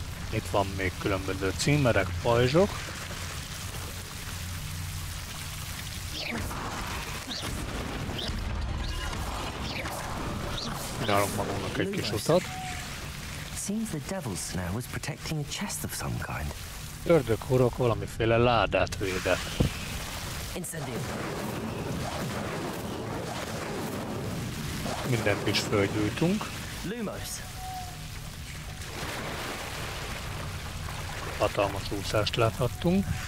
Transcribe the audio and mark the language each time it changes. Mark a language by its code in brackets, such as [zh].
[hu] Itt van még különböző címerek, pajzsok. Csinálunk magunknak egy kis utat. [en] Seems the devil's snare was protecting a chest of some kind. [hu] Ördög hurok valamiféle ládát védett. Incendium. Mindent is fölgyújtunk. Lumos. Hatalmas úszást láthattunk.